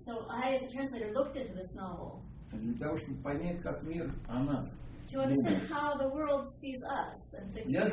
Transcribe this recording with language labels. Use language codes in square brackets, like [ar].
[en] So I, as a translator, looked into this novel. [ru] Для того, чтобы понять, как мир о нас. [en] To understand how the world sees us and thinks about us.